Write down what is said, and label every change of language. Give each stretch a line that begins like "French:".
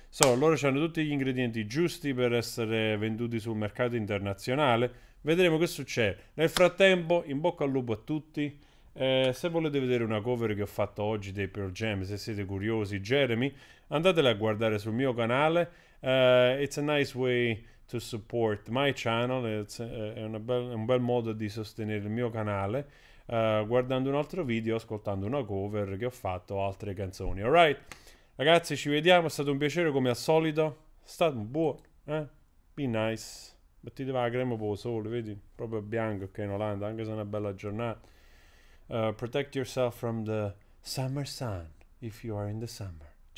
Italian: So, loro hanno tutti gli ingredienti giusti per essere venduti sul mercato internazionale. Vedremo che succede. Nel frattempo, in bocca al lupo a tutti. Se volete vedere una cover che ho fatto oggi dei Pearl Jam, se siete curiosi, Jeremy, andatela a guardare sul mio canale.
English: It's a nice way to support my channel.
Italian: È un bel modo di sostenere il mio canale. Guardando un altro video, ascoltando una cover che ho fatto, altre canzoni. Alright, ragazzi, ci vediamo. È stato un piacere come al solito. È stato un buon,
English: be nice.
Italian: Mettetevi la crema per il sole, vedi? Proprio bianco che in Olanda, anche se è una bella giornata.
English: Protect yourself from the summer sun if you are in the summer.